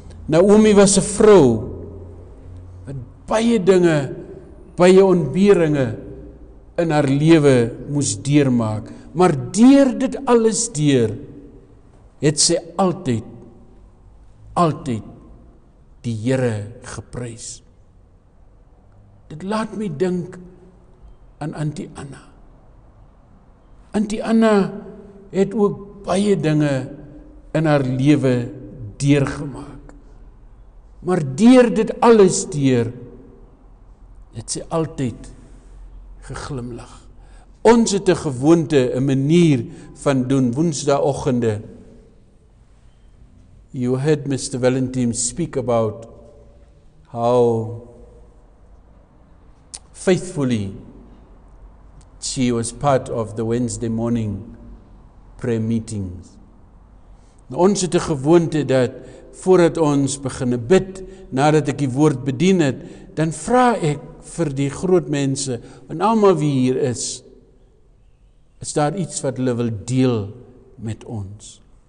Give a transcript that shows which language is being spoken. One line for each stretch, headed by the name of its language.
Afrikaans: Naomi was een vrou wat baie dinge, baie ontberinge in haar lewe moes deurmaak. Maar deur dit alles deur, het sy altyd, altyd die Here geprys. Dit laat my dink aan Antie Anna. Antie Anna het ook baie dinge in haar lewe deurgemaak. Maar deur dit alles deur, het sy altyd geglimlag. Ons het 'n gewoonte, 'n manier van doen, woensdaagoggende,
English: You heard Mr. Valentin speak about how faithfully she was part of the Wednesday morning prayer meetings.
Afrikaans: Ons het 'n gewoonte dat voordat ons begin bid, nadat ek die woord bedien het, dan vra ek vir die groot mense en almal wie hier is, is daar iets wat hulle wil deel met ons?